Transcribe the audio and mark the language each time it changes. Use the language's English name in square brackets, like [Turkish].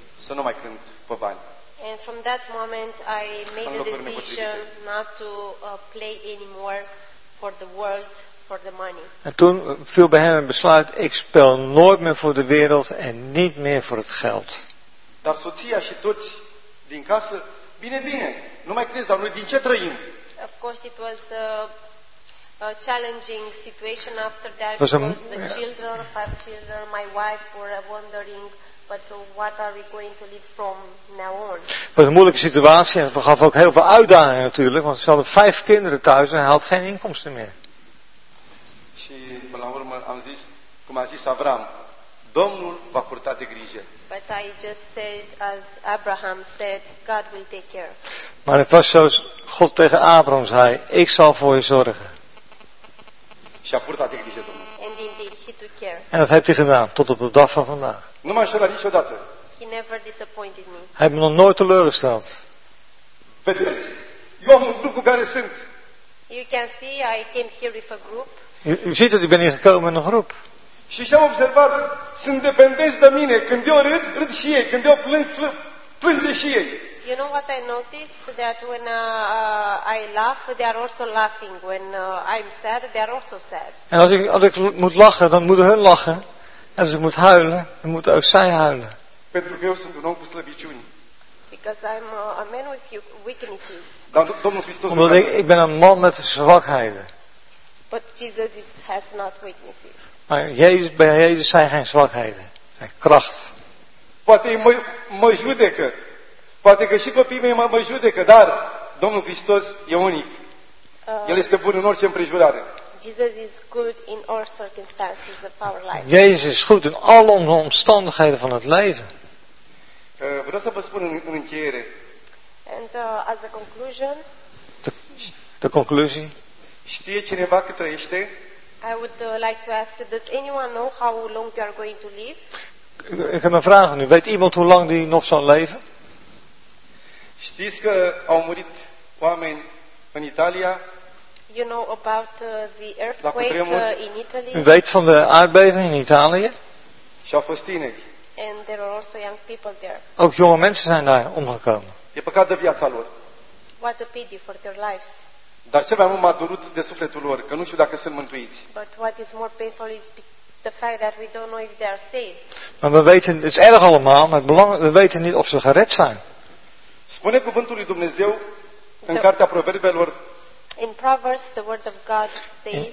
[English] And from that moment I made a decision not to play anymore for the world. [Dutch] En toen viel bij hem een besluit, ik speel nooit meer voor de wereld en niet meer voor het geld. [Romanian] Dar soția și toți din casă, bine, bine, nu mai crezi, dar noi din ce trăim? [English] Of course it was a challenging situation after that, because five children, my wife were wondering, but what are we going to live from now on? [Dutch] Het was een moeilijke situatie en het begaf ook heel veel uitdagingen natuurlijk, want ze hadden 5 kinderen thuis en hij had geen inkomsten meer. [Romanian] Și până la urmă am zis, cum a zis Avram, Domnul va purta de grijă. [English] But I just said, as Abraham said, God will take care. [Dutch] Maar het was zoals God tegen Abraham zei, ik zal voor je zorgen. [Romanian] Și a purtat de grijă Domnul. [English] And indeed, he took care. [Dutch] En dat heeft hij gedaan, tot op de dag van vandaag. [Romanian] Nu m-a înșelat niciodată. [English] He never disappointed me. [Dutch] Hij heeft me nog nooit teleurgesteld. [Romanian] Vedeți, eu am un grup cu care sunt. [English] You can see, I came here with a group. [Dutch] U ziet dat ik ben hier gekomen met een groep. [Romanian] Și am observat, sunt dependenți de mine. Când eu râd, râd și ei. Când eu plâng, plâng și ei. [English] You know what I noticed? That when I laugh, they are also laughing. When I'm sad, they are also sad. [Dutch] En als ik moet lachen, dan moeten hun lachen. En als ik moet huilen, dan moeten ook zij huilen. [Romanian] Pentru că eu sunt un om cu slăbiciuni. [English] Because I'm a man with weaknesses. [Romanian] Domnul Hristos. [Dutch] Omdat ik ben een man met zwakheden. [English] But Jesus has not weaknesses. [Dutch] Maar Jezus, bij Jezus zijn geen zwakheden, zijn kracht. [Romanian] Poate mă judecă. Poate că și copiii mei mă judecă, dar Domnul Hristos e unic. El este bun în orice împrejurare. [English] Jesus is good in all circumstances of our life. [Dutch] Jezus is goed in alle omstandigheden van het leven. [Romanian] Vreau să vă spun în încheiere. [English] And as a conclusion. [Dutch] De conclusie. [Romanian] Știe cineva cât trăiește? [English] I would like to ask, does anyone know how long you are going to live? [Dutch] Ik heb een vraag nu. Weet iemand hoe lang die nog zal leven? [Romanian] Știți că au murit oameni în Italia? [English] You know about the earthquake in Italy? [Dutch] U weet van de aardbeving in Italië? [Romanian] Și au fost tineri. [English] And there were also young people there. [Dutch] Ook jonge mensen zijn daar omgekomen. [Romanian] E păcat de viața lor. [English] What a pity for their lives. [Romanian] Dar ce mai mult m-a durut de sufletul lor, că nu știu dacă sunt mântuiți. [English] But what is more painful is the fact that we don't know if they are saved. [Dutch] Maar we weten, het is erg allemaal, maar we weten niet of ze gered zijn. [Romanian] Spune cuvântul lui Dumnezeu în cartea Proverbelor. [English] In Proverbs, the word of God says.